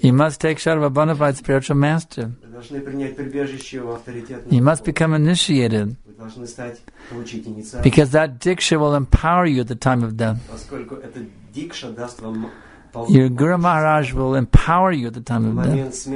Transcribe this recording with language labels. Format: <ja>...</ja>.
<en>You must take shelter of a bona fide spiritual master.</en> <ru>Вы должны принять прибежище у авторитетного.</ru> <en>You must become initiated.</en> <ru>Вы должны стать, получить инициацию.</ru> <en>Because that diksha will empower you at the time of death.</en> <ru>Поскольку эта дикша даст вам.</ru> <en>Your Guru Maharaj will empower you at the time of death.</en>